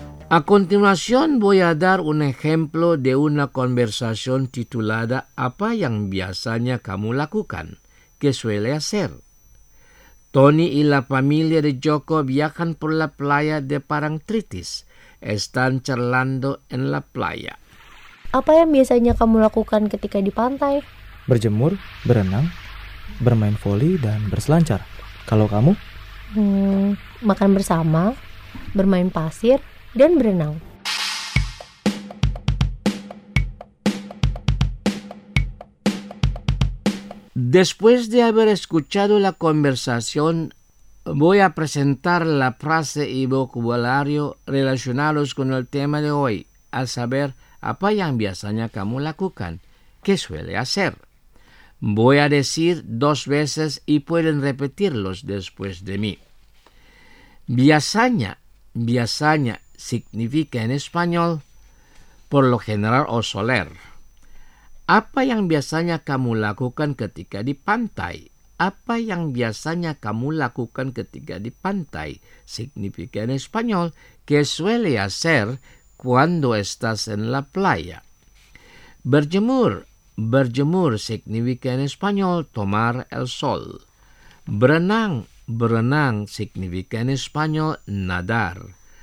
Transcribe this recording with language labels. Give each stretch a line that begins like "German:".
Spanish: A continuación voy a dar un ejemplo de una conversación titulada
Indonesian: Apa yang biasanya kamu lakukan,
Spanish: ¿qué suele hacer? Tony y la familia de Joko viajan por la playa de Parangtritis. Están charlando en la playa.
Indonesian: Apa yang biasanya kamu lakukan ketika di pantai? Berjemur, berenang, bermain voli, dan berselancar. Kalau kamu? Makan bersama, bermain pasir, dan berenang.
Spanish: Después de haber escuchado la conversación, voy a presentar la frase y vocabulario relacionados con el tema de hoy, a saber,
Indonesian: apa yang biasanya kamu lakukan,
Spanish: ¿qué suele hacer? Voy a decir dos veces y pueden repetirlos después de mí. Biasanya significa en español, por lo general o soler.
Indonesian: Apa yang biasanya kamu lakukan ketika di pantai? Apa yang biasanya kamu lakukan ketika di pantai?
Spanish: Significa en español, ¿qué suele hacer cuando estás en la playa? Berjemur significa en español tomar el sol. Berenang significa en español nadar.